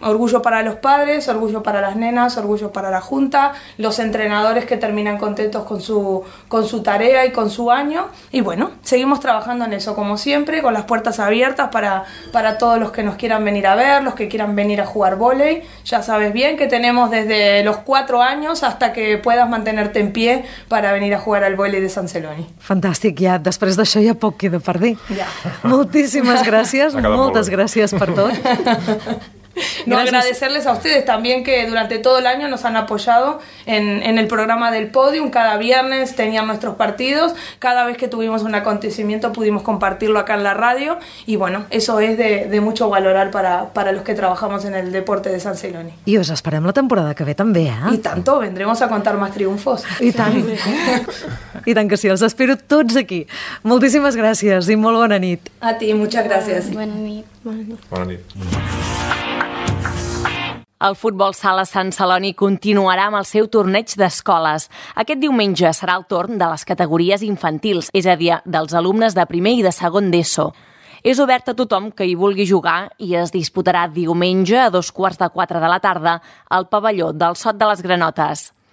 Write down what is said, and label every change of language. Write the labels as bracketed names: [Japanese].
[Spanish] Orgullo para los padres, orgullo para las nenas, orgullo para la junta, los entrenadores que terminan contentos con su tarea y con su año. Y bueno, seguimos trabajando en eso, como siempre, con las puertas abiertas para todos los que nos quieran venir a ver, los que quieran venir a jugar vóley. Ya sabes bien que tenemos desde los 4 años hasta que puedas mantenerte en pie para venir a jugar al vóley de San Celoni. [Catalan] Fantàstic, ja, després d'això ja poc queda per dir. Ja. Moltíssimes gràcies. [Spanish] Muchas gracias por todo. No, agradecerles a ustedes también que durante todo el año nos han apoyado en el programa del Podium. Cada viernes tenían nuestros partidos, cada vez que tuvimos un acontecimiento pudimos compartirlo acá en la radio, y bueno, eso es de mucho valorar para los que trabajamos en el deporte de San Celoni. Y os esperamos la temporada [Catalan] que ve [Spanish] también, ¿eh? Y tanto, vendremos a contar más triunfos. Y tan, y tan que sí, os espero todos aquí. Muchísimas gracias y muy buena nit. A ti, muchas gracias. Buena nit. [Catalan] El futbol sala Sant Celoni continuarà amb el seu torneig d'escoles. Aquest diumenge serà el torn de les categories infantils, és a dir, dels alumnes de primer i de segon d'ESO. És obert a tothom que hi vulgui jugar i es disputarà diumenge a 3:45 de la tarda al pavelló del Sot de les Granotes.